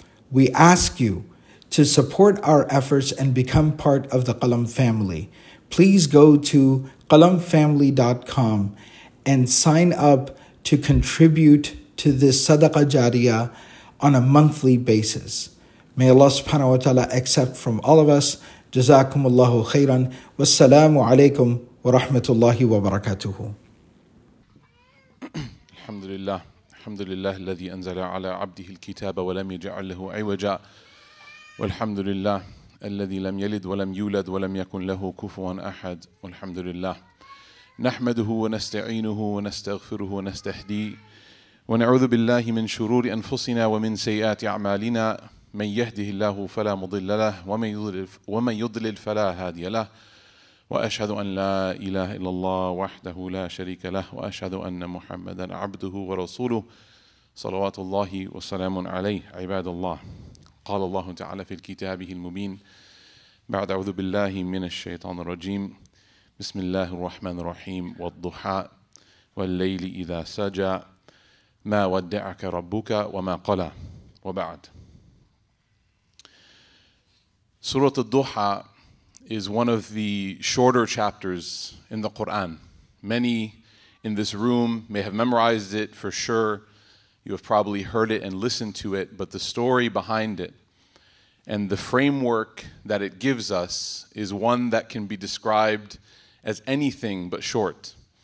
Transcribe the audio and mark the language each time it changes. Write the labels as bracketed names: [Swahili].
[English] We ask you to support our efforts and become part of the Qalam family. Please go to qalamfamily.com and sign up to contribute to this Sadaqah Jariyah on a monthly basis. May Allah subhanahu wa ta'ala accept from all of us. [Arabic] جزاكم الله خيرا والسلام عليكم ورحمة الله وبركاته. الحمد لله الحمد لله الذي أنزل على عبده الكتاب ولم يجعل له عوجا والحمد لله الذي لم يلد ولم يولد ولم يكن له كفوا أحد والحمد لله نحمده ونستعينه ونستغفره ونستهديه ونعوذ بالله من شرور أنفسنا ومن سيئات أعمالنا من يهده الله فلا مضل له ومن يضلل فلا هادي له وأشهد أن لا إله إلا الله وحده لا شريك له وأشهد أن محمدا عبده ورسوله صلوات الله وسلام عليه عباد الله قال الله تعالى في كتابه المبين بعد أعوذ بالله من الشيطان الرجيم بسم الله الرحمن الرحيم والضحى والليل إذا سجى ما ودعك ربك وما قلى وبعد. [English] Surah Ad-Duha is one of the shorter chapters in the Qur'an. Many in this room may have memorized it for sure. You have probably heard it and listened to it, but the story behind it and the framework that it gives us is one that can be described as anything but short.